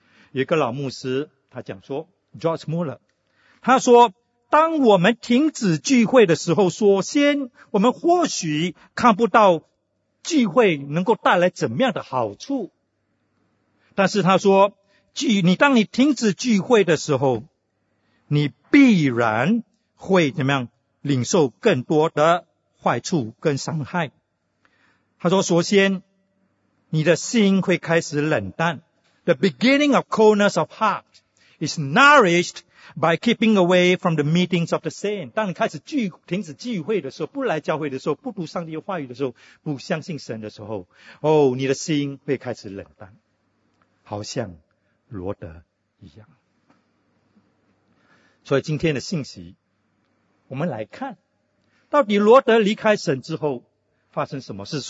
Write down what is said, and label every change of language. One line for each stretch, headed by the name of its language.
Chinese: 有一个老牧师，他讲说 George Mueller， 他说当我们停止聚会的时候，首先我们或许看不到聚会能够带来怎么样的好处，但是他说当你停止聚会的时候，你必然会怎么样领受更多的坏处跟伤害。他说首先你的心会开始冷淡，
English: The beginning of coldness of heart is nourished by keeping away from the meetings of the saints。
Chinese: 当你开始停止聚会的时候，不来教会的时候，不读上帝的话语的时候，不相信神的时候，你的心会开始冷淡，好像罗德一样。所以今天的信息，我们来看到底罗德离开神之后发生什么事。